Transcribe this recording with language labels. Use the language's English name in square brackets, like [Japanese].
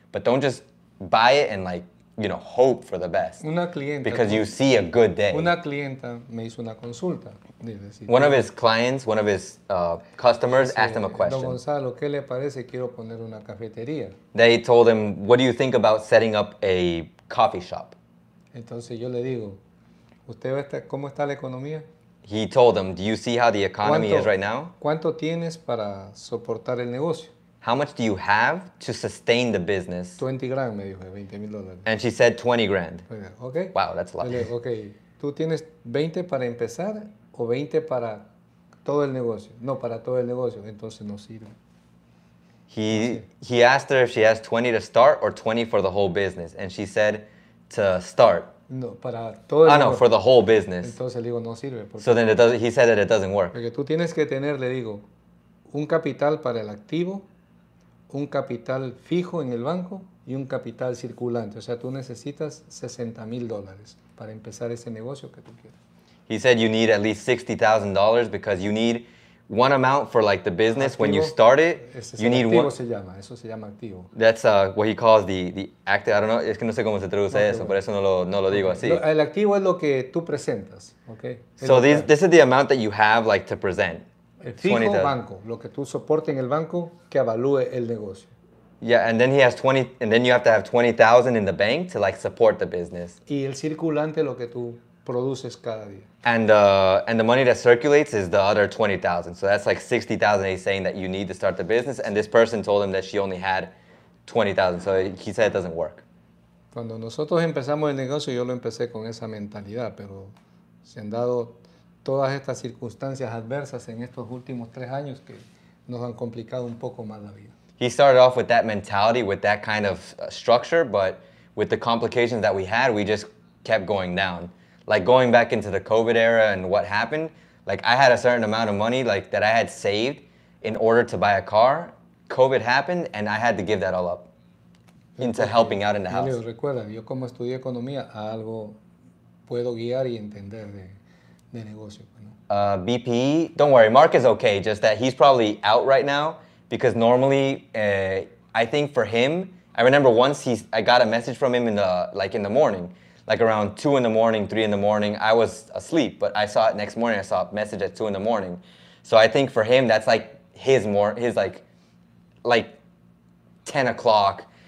[English] But don't just buy it and, like, you know, hope for the best. [Spanish] Una clienta, [English] because you see a good day. [Spanish] Una clienta me hizo una consulta. [English] One of his clients, one of his customers asked him a question. [Spanish] Don Gonzalo, ¿qué le parece? Quiero poner una cafetería. [English] They told him, what do you think about setting up a coffee shop? [Spanish] Entonces yo le digo, ¿usted va a estar, cómo está la economía? [English] He told him, do you see how the economy is right now? [Spanish] ¿Cuánto tienes para soportar el negocio? [English] How much do you have to sustain the business? 20 grand, [Spanish] me dijo, 20 mil dólares. [English] And she said 20 grand. Okay. Wow, that's a lot. [Spanish] Le, okay, ¿tú tienes 20 para empezar o 20 para todo el negocio? No, para todo el negocio, entonces no sirve. [English] He asked her if she has 20 to start or 20 for the whole business. And she said to start. [Spanish] No, para todo el negocio. [English] For the whole business. [Spanish] Entonces le digo, no sirve. [English] So then it does, he said that it doesn't work. [Spanish] Porque tú tienes que tener, le digo, un capital para el activo, un capital fijo en el banco y un capital circulante. O sea, tú necesitas 60 mil dólares para empezar ese negocio que tú quieres. [English] He said you need at least $60,000 because you need one amount for, like, the business [Spanish] activo, [English] when you start it. You need [Spanish] activo one. Se llama, eso se llama activo. [English] That's what he calls the active. I don't know. [Spanish] Es que no sé cómo se traduce activo. Eso, por eso no lo digo así. El activo es lo que tú presentas, okay? [English] So this is the amount that you have, like, to present. [Spanish] El fijo banco, lo que tú soportes en el banco que avalúe el negocio. [English] Yeah, and then he has 20, and then you have to have 20,000 in the bank to, like, support the business. [Spanish] Y el circulante, lo que tú produces cada día. [English] And the money that circulates is the other 20,000. So that's like 60,000 he's saying that you need to start the business. And this person told him that she only had 20,000. So he said it doesn't work. [Spanish] Cuando nosotros empezamos el negocio, yo lo empecé con esa mentalidad. Pero se han dado todas estas circunstancias adversas en estos últimos tres años que nos han complicado un poco más la vida. [English] He started off with that mentality, with that kind of structure. But with the complications that we had, we just kept going down. Like, going back into the COVID era and what happened, like, I had a certain amount of money, like, that I had saved in order to buy a car. COVID happened, and I had to give that all up into helping out in the house. [Spanish] Recuerda, yo como estudié economía, algo puedo guiar y entender de negocio. [English] BPE, don't worry, Mark is okay, just that he's probably out right now, because normally, I think for him, I remember once I got a message from him in the morning, like around 2 a.m, 3 a.m, I was asleep, but I saw it next morning. I saw a message at 2 a.m. So I think for him, that's like his 10 o'clock.